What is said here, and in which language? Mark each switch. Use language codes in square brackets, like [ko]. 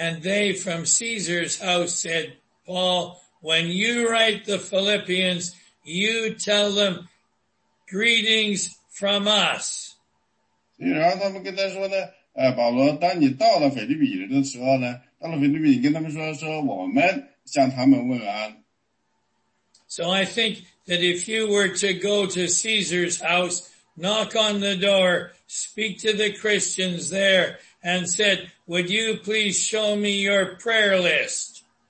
[en] And they from Caesar's house said, Paul, when you write the Philippians, you tell them greetings from us. [zh] 然后他们跟他说呢,保罗当你到了腓立比人的时候呢,到了腓立比你跟他们说,我们向他们问安。 [en] So I think that if you were to go to Caesar's house, knock on the door, speak to the Christians there, and said, would you please show me your prayer list?